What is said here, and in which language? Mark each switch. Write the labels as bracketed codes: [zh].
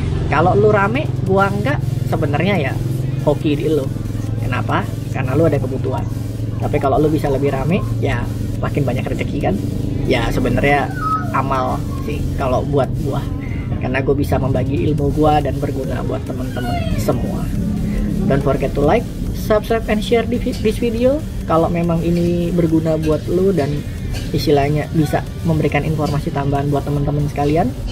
[id] Kalau lu rame, gua enggak, sebenarnya ya hoki di lu. Kenapa? Karena lu ada kebutuhan. Tapi kalau lu bisa lebih rame, ya makin banyak rezeki kan. Ya sebenarnya amal sih kalau buat gua, karena gue bisa membagi ilmu gue dan berguna buat teman-teman semua. [en] Don't forget to like, subscribe, and share this video. [id] Kalau memang ini berguna buat lo dan istilahnya bisa memberikan informasi tambahan buat teman-teman sekalian.